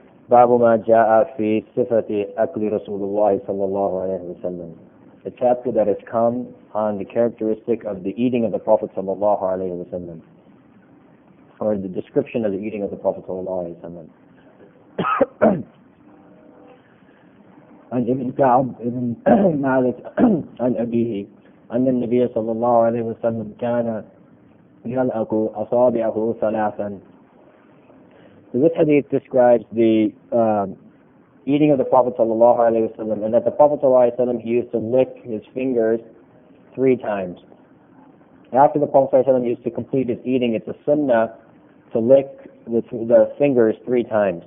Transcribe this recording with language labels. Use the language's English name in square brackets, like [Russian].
[Arabic] باب ما جاء في صفة أكل رسول الله صلى الله عليه وسلم. [English] The chapter that has come on the characteristic of the eating of the Prophet [Arabic] صلى الله عليه وسلم, [English] or the description of the eating of the Prophet صلى الله عليه وسلم. [Arabic] عن ابن كعب ابن مالك عن أبيه أن النبي صلى الله عليه وسلم كان يلأك أصابعه ثلاثا. [English] So this hadith describes the eating of the Prophet sallallahu alaihi wasallam, and that the Prophet sallallahu alaihi wasallam, he used to lick his fingers three times. After the Prophet sallallahu alaihi wasallam used to complete his eating, it's a sunnah to lick the fingers three times.